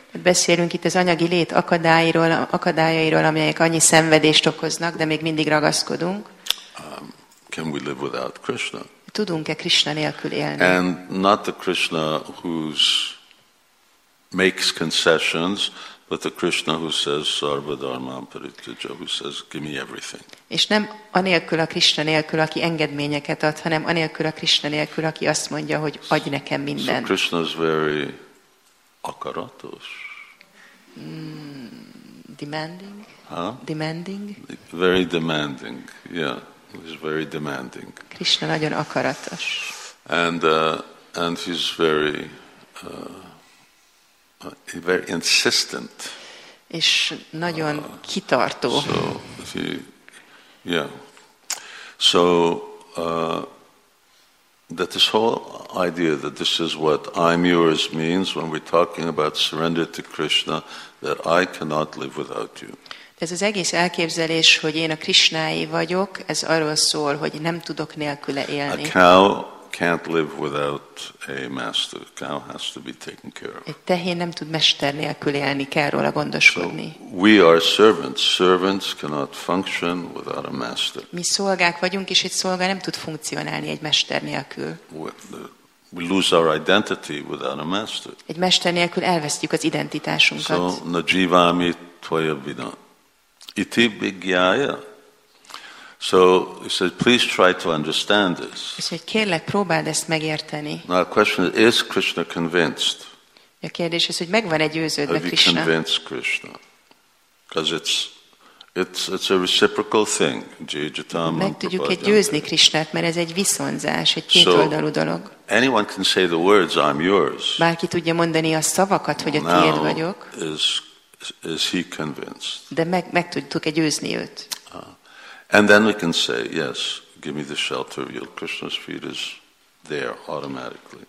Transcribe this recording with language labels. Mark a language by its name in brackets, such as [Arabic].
[Hungarian] Beszélünk itt az anyagi lét akadályairól, amelyek annyi szenvedést okoznak, de még mindig ragaszkodunk. [English] Can we live without Krishna? [Hungarian] Tudunk-e Krishna nélkül élni? [English] And not the Krishna who makes concessions, but the Krishna who says [Sanskrit] sarva dharma parityaja, [English] who says give me everything. [Hungarian] És nem anélkül a Krishna nélkül, aki engedményeket ad, hanem anélkül a Krishna nélkül, aki azt mondja, hogy adj nekem mindent. [English] So Krishna is very [Hungarian] akaratos. [English] Demanding. Huh? Demanding. Very demanding. Yeah, he's very demanding. [Hungarian] Krishna nagyon akaratos. [English] And he's very very insistent. [Hungarian] És nagyon kitartó. [English] So he, yeah. So that this whole idea that this is what I'm yours means when we're talking about surrender to Krishna, that I cannot live without you. [Hungarian] Ez az egész elképzelés, hogy én a Krishnáé vagyok, ez arról szól, hogy nem tudok nélküle élni. [English] A cow can't live without a master. A cow has to be taken care of. [Hungarian] Egy tehén nem tud mester nélkül élni, kell róla gondoskodni. [English] So we are servants. Servants cannot function without a master. [Hungarian] Mi szolgák vagyunk, és egy szolga nem tud funkcionálni egy mester nélkül. [English] We lose our identity without a master. [Hungarian] Egy mester nélkül elvesztjük az identitásunkat. [English] So, [Sanskrit] na jivami tvaya vina. Iti bigyaya. [English] So he said, please try to understand this. [Hungarian] És hogy kérlek, próbáld ezt megérteni. [English] Now the question is Krishna convinced? [Hungarian] A kérdés az, hogy megvan-e győződve Krishna? [English] Have you convinced Krishna? Because it's a reciprocal thing. [Sanskrit] Jijitam. [Hungarian] Meg tudjuk egy győzni Krishnát, mert ez egy viszonzás, egy kétoldalú dolog. [English] So anyone can say the words, I'm yours. [Hungarian] Bárki tudja mondani a szavakat, hogy a tiéd vagyok. [English] Now is he convinced? [Hungarian] De meg tudtuk-e győzni őt? [English] And then we can say, yes, give me the shelter of your Krishna's feet is there automatically.